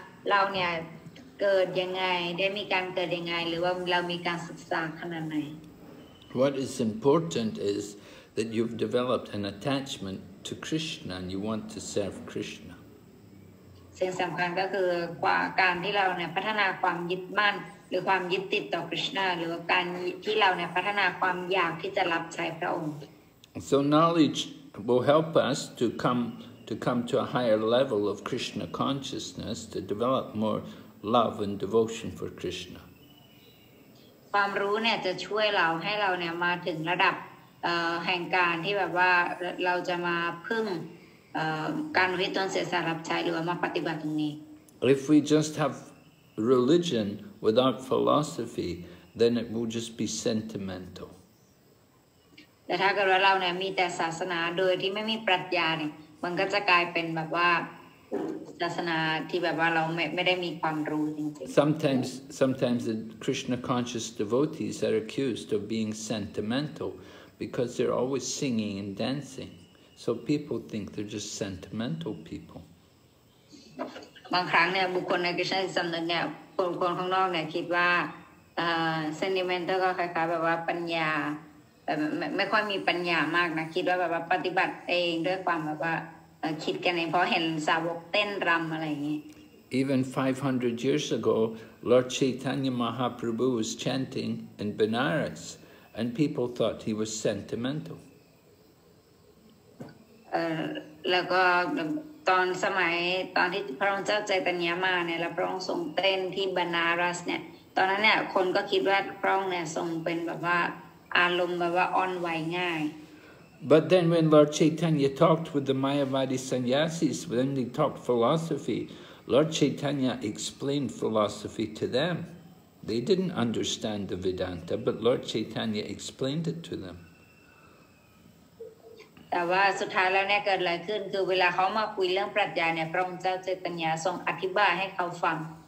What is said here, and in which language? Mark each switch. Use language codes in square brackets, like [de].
[th] เราเนี่ยเกิดยังไงได้มีการเกิดยังไงหรือว่าเรามีการศึกษาขนาดไหน [en] What is important is that you've developed an attachment to Krishna and you want to serve Krishna [th] สิ่งสำคัญก็คือกว่าการที่เราเนี่ยพัฒนาความยึดมั่นหรือความยึดติดต่อ Krishna หรือว่าการที่เราเนี่ยพัฒนาความอยากที่จะรับใช้พระองค์ [en] So knowledge will help us to come to a higher level of Krishna consciousness, to develop more love and devotion for Krishna. [th] ความรู้เนี่ยจะช่วยเราให้เราเนี่ยมาถึงระดับแห่งการที่แบบว่าเราจะมาพึ่งการวิตนเสียสารับใช้หรือว่ามาปฏิบัติตรงนี้ [en] If we just have religion without philosophy, then it will just be sentimental. [th] แต่ถ้าเกิดว่าเราเนี่ยมีแต่ศาสนาโดยที่ไม่มีปรัชญาเนี่ยมันก็จะกลายเป็นแบบว่าศาสนาที่แบบว่าเราไม่ได้มีความรู้จริงๆ [en] Sometimes the Krishna conscious devotees are accused of being sentimental because they're always singing and dancing so people think they're just sentimental people [th] บางครั้งเนี่ยบุคคลในคริสตจักรเนี่ยคนข้างนอกเนี่ยคิดว่า sentimental ก็คล้ายๆแบบว่าปัญญาไม่ค่อยมีปัญญามากนะคิดว่าแบบว่าปฏิบัติเองด้วยความแบบว่าคิดกันเองเพราะเห็นสาวกเต้นรำอะไรอย่างงี้ [en] Even 500 years ago Lord Chaitanya Mahaprabhu was chanting in Benares and people thought he was sentimental [th] แล้วก็ตอนที่พระองค์เจ้าเจตัญญามาเนี่ยแล้วพระองค์ทรงเต้นที่ Benares เนี่ยตอนนั้นเนี่ยคนก็คิดว่าพระองค์เนี่ยทรงเป็นแบบว่าอารมณ์แบบว่าอ่อนไหวง่าย [en] But then when Lord Chaitanya talked with the Mayavadi sannyasis when they talked philosophy Lord Chaitanya explained philosophy to them they didn't understand the Vedanta but Lord Chaitanya explained it to them [th] แต่ว่าสุดท้ายแล้วเนี่ยเกิดอะไรขึ้นคือเวลาเขามาคุยเรื่องปรัชญาเนี่ยพระองค์เจ้าเจตัญญาทรงอธิบายให้เขาฟัง